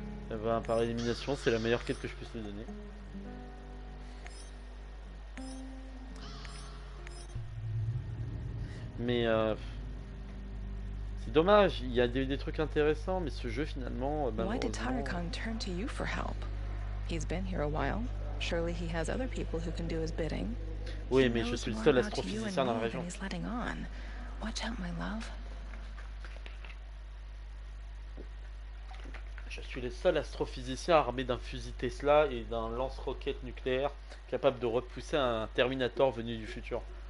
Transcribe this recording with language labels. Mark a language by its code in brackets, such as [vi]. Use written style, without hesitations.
[fr] Et bah, par élimination, c'est la meilleure quête que je puisse lui donner. Mais... c'est dommage, il y a des trucs intéressants, mais ce jeu finalement. [en] Why did Tarakan turn to you for help? He's been here a while. Surely he has other people who can do his bidding. [fr] Oui, mais je suis le seul astrophysicien dans la région. [en] He's letting on. Watch out, my love. [fr] Je suis le seul astrophysicien armé d'un fusil Tesla et d'un lance-roquette nucléaire capable de repousser un Terminator venu du futur.